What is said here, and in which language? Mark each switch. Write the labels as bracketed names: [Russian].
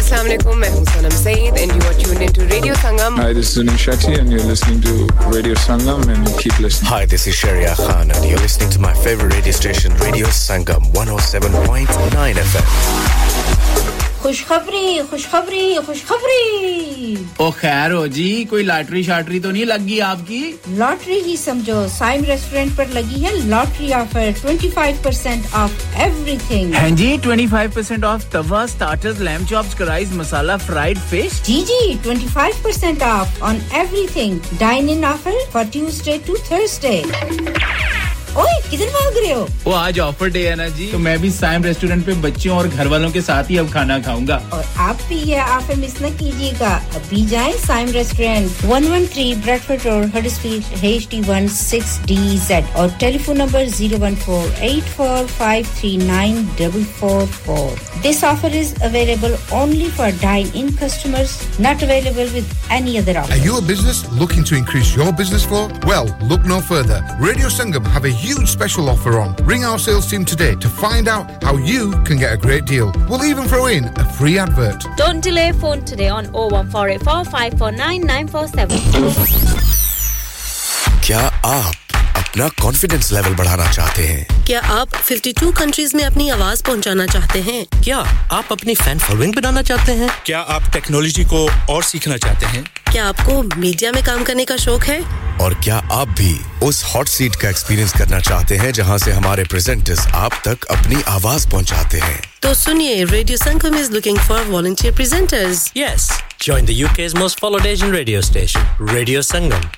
[Hindi] Assalamu alaikum. Main hu Sanam Saeed. [English] And you are tuned into Radio Sangam. Hi, this is Zunin Shetty. And you're listening to Radio Sangam. And keep listening. Hi, this is Sharia Khan. And you're listening to my favorite radio station, Radio Sangam 107.9 FM. [Hindi] खुशखबरी ओ खैर हो जी कोई lottery शॉटरी तो नहीं लगी आपकी lottery ही समझो Saim restaurant पर लगी है लॉटरी ऑफर 25% ऑफ एवरीथिंग हां जी 25% of Tawa starters lamb chops rice masala fried fish ji ji 25% of on everything [English] dine in offer for Tuesday to Thursday [Hindi] ओए किधर भाग रहे हो वो आज ऑफर डे है ना जी तो मैं भी साइम रेस्टोरेंट पे बच्चों और घर वालों के साथ ही अब खाना खाऊंगा और आप भी ये ऑफर मिस ना कीजिएगा अभी जाएं Saim restaurant 113 Bradford road Huddersfield HD16DZ और telephone number 01484539444 [English] This offer is available only for dine in customers not available with any other offer are you a business looking to increase your business flow well look no further radio Sangam A huge special offer on. Ring our sales team today to find out how you can get a great deal. We'll even throw in a free advert. Don't delay phone today on 01484549947. [Hindi] Kya aap अपना confidence level बढ़ाना चाहते हैं क्या आप 52 countries में अपनी आवाज पहुंचाना चाहते हैं क्या आप अपनी फैन फॉलोइंग बनाना चाहते हैं क्या आप टेक्नोलॉजी को और सीखना चाहते हैं क्या आपको मीडिया में काम करने का शौक है और क्या आप भी उस हॉट सीट का एक्सपीरियंस करना चाहते हैं जहां से हमारे प्रेजेंटर्स आप तक अपनी आवाज पहुंचाते हैं तो सुनिए radio Sangam [English] Is looking for volunteer presenters yes Join the UK's most followed Asian radio station, Radio Sangam.